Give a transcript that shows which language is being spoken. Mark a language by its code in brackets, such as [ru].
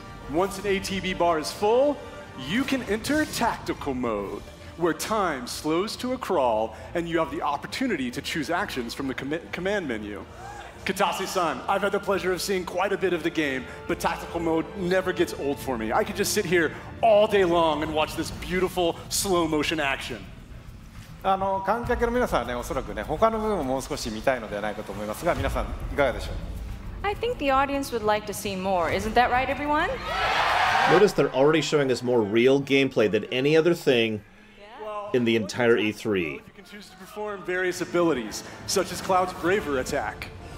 [en] Once an ATB bar is full, you can enter tactical mode, where time slows to a crawl and you have the opportunity to choose actions from the command menu. Kitase-san, I've had the pleasure of seeing quite a bit of the game, but tactical mode never gets old for me. I could just sit here all day long and watch this beautiful slow motion action. [ja] 観客の皆さんはね、おそらくね、他の部分ももう少し見たいのではないかと思いますが、皆さんいかがでしょう? [en] I think the audience would like to see more. Isn't that right, everyone? Notice they're already showing us more real gameplay than any other thing in the entire E3. You can choose to perform various abilities, such as Cloud's Braver attack.